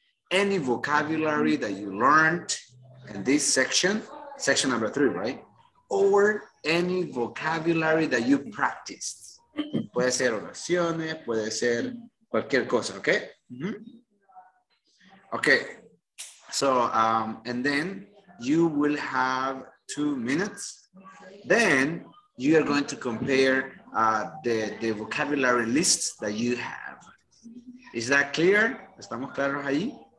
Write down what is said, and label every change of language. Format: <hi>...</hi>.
<en>Any vocabulary that you learned in this section, section number 3, right? Or any vocabulary that you practiced.</en> <es>Puede ser oraciones, puede ser cualquier cosa, okay? Mm-hmm.</es> <en>Okay, so, and then you will have 2 minutes. Then you are going to compare the vocabulary lists that you have. Is that clear?</en> <es>¿Estamos claros ahí?</es>